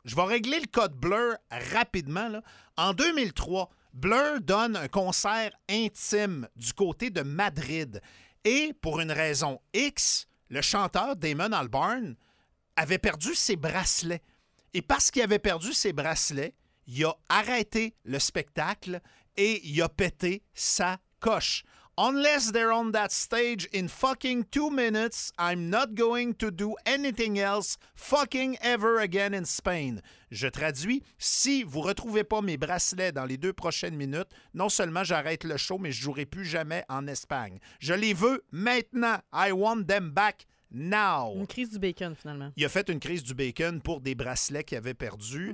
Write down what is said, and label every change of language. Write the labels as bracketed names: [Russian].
[French] Je vais régler le code Blur rapidement, là. En 2003, Blur donne un concert intime du côté de Madrid. Et pour une raison X, le chanteur Damon Albarn avait perdu ses bracelets. Et parce qu'il avait perdu ses bracelets, il a arrêté le spectacle et il a pété sa coche. [English] Unless they're on that stage in fucking 2 minutes, I'm not going to do anything else fucking ever again in Spain. [French] Je traduis, si vous retrouvez pas mes bracelets dans les 2 prochaines minutes, non seulement j'arrête le show, mais je jouerai plus jamais en Espagne. Je les veux maintenant. [English] I want them back. Now. [French] Une crise du bacon, finalement. Il a fait une crise du bacon pour des bracelets qu'il avait perdus.